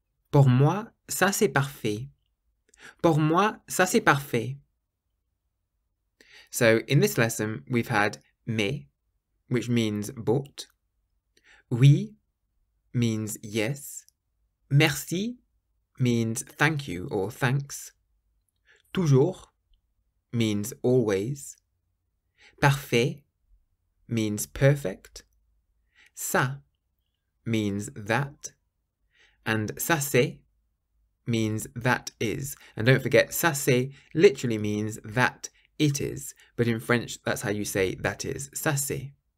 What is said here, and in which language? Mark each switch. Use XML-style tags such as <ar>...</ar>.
<fr>Pour moi, ça c'est parfait. Pour moi, ça c'est parfait.</fr> <en>So, in this lesson, we've had mais, which means but. Oui means yes. Merci means thank you or thanks. Toujours means always. Parfait means perfect. Ça means that. And ça c'est means that is. And don't forget, ça c'est literally means that it is, but in French, that's how you say that is. Ça c'est.</en>